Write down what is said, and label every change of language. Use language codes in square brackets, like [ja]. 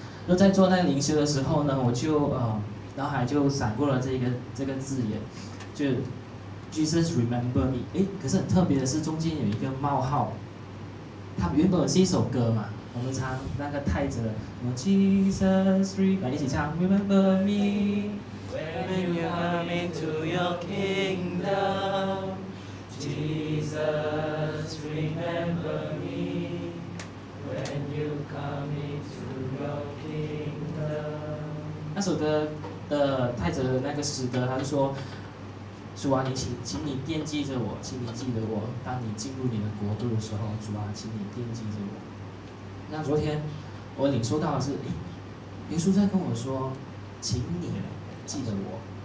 [zh] 就在做那个灵修的时候呢，我就脑海就闪过了这个字眼，就。 [en] Jesus remember me， [zh] 可是很特别的是中间有一个冒号，它原本是一首歌嘛，我们唱那个太子的 Jesus [en] remember me， [zh] 一起唱 remember me [en] when you come into your kingdom， Jesus remember me when you come into your kingdom。 [zh] 那首歌的太子的那个诗歌，他就说主啊，请你惦记着我，请你记得我，当你进入你的国度的时候，主啊，请你惦记着我。那昨天我领受到的是，耶稣在跟我说，请你记得我。